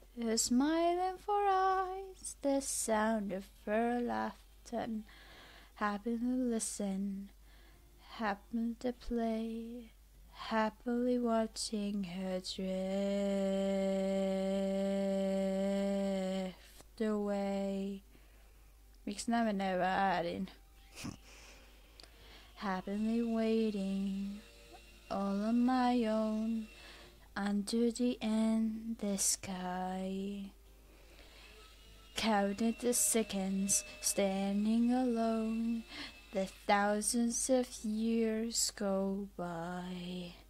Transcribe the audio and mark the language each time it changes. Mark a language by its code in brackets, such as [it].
[en] A smile and four eyes, the sound of her laughter. Happily listen, happily to play, happily watching her drift away. [fi] Miksi nämä menee väärin? [en] Happily waiting, all on my own, under the endless sky. Counted the seconds, standing alone, the thousands of years go by.